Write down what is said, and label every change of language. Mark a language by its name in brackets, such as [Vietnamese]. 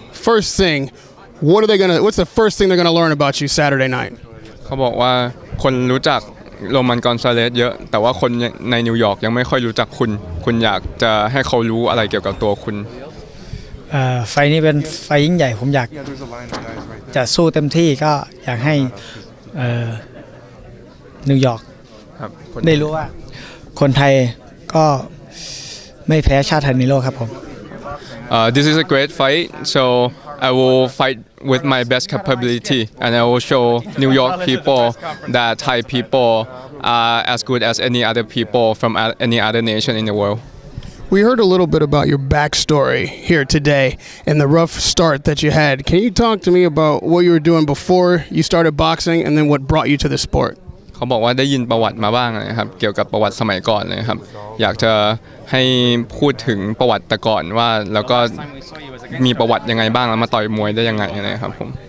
[English] First thing, what's the first thing they're gonna learn about you Saturday night? [Thai] เขาบอกว่าคนรู้จักโรมันกอนซาเลสเยอะแต่ว่าคนในนิวยอร์กยังไม่ค่อยรู้จักคุณคุณอยากจะให้เขารู้อะไรเกี่ยวกับตัวคุณ ไฟนี้เป็นไฟยิ่งใหญ่ผมอยากจะสู้เต็มที่ก็อยากให้นิวยอร์กได้รู้ว่าคนไทยก็ไม่แพ้ชาติไทยในโลกครับผม [English] This is a great fight so I will fight with my best capability and I will show New York people that Thai people are as good as any other people from any other nation in the world We heard a little bit about your backstory here today and the rough start that you had. Can you talk to me about what you were doing before you started boxing and then what brought you to the sport? [Thai] เขาบอกว่าได้ยินประวัติมาบ้างนะครับเกี่ยวกับประวัติสมัยก่อนนะครับอยากจะให้พูดถึงประวัติแต่ก่อนว่าแล้วก็มีประวัติยังไงบ้างแล้วมาต่อยมวยได้ยังไงนะครับผม